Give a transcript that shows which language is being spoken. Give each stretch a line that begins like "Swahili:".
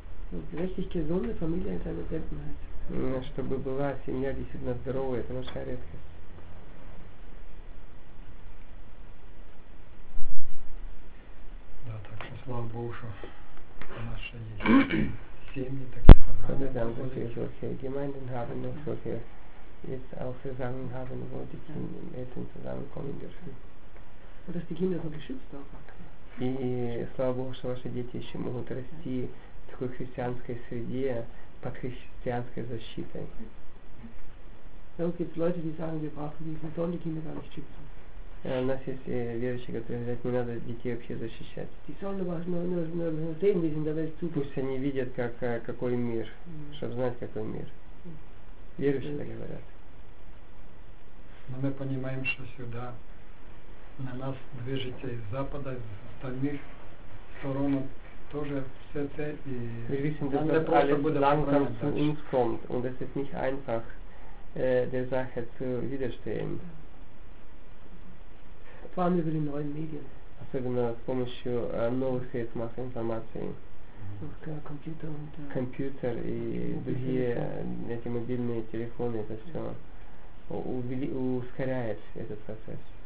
Russian: Чтобы была семья действительно здоровая, это большая редкость. Да, так что слава Богу, что наши семьи такие собрались. Да, да, да, все
German: Gemeinden haben noch solche jetzt auch zusammen haben, wo die Kinder mit uns zusammenkommen dürfen. Und dass die Kinder so geschützt auch.
Russian: И слава Богу, что ваши дети еще могут расти в такой христианской среде, под христианской защитой. У нас есть верующие, которые говорят, не надо детей вообще защищать. Пусть они видят, какой мир, чтобы знать, какой мир. Верующие так говорят. Но мы понимаем, что сюда на нас движется из Запада, из остальных сторон.
German: Wir wissen, dass das alles langsam zu uns kommt und es ist nicht einfach, der Sache zu widerstehen. Vor allem über die neuen Medien. Computer und die mobilen Telefone, das
Russian: все ускоряет этот процесс.